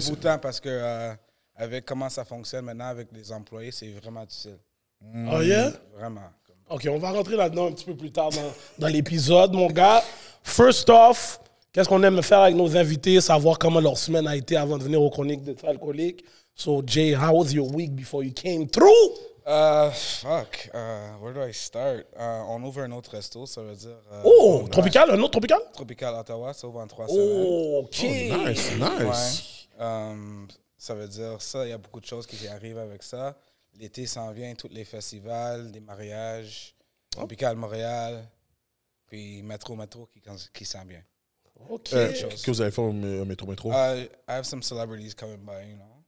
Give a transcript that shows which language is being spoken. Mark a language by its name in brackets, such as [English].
[French] Ça fait un bout de temps parce que avec comment ça fonctionne maintenant avec les employés, c'est vraiment difficile. [English] Mmh. Oh yeah? [French] Vraiment. OK, on va rentrer là-dedans un petit peu plus tard dans l'épisode, mon gars. [English] First off, [French] qu'est-ce qu'on aime faire avec nos invités, savoir comment leur semaine a été avant de venir aux chroniques d'être alcoolique. [English] So, Jay, how was your week before you came through? Where do I start? [French] On ouvre un autre resto, ça veut dire... Tropikal, un autre Tropikal? Tropikal, Ottawa, ça ouvre en trois semaines. [English] OK. Oh, nice. [French] Ouais. Ça veut dire ça, il y a beaucoup de choses qui arrivent avec ça. L'été s'en vient, tous les festivals, des mariages, Tropikal Montréal, puis Métro-Métro qui s'en vient. OK. Que vous avez fait au Métro-Métro? [English] I have some celebrities coming by, you know.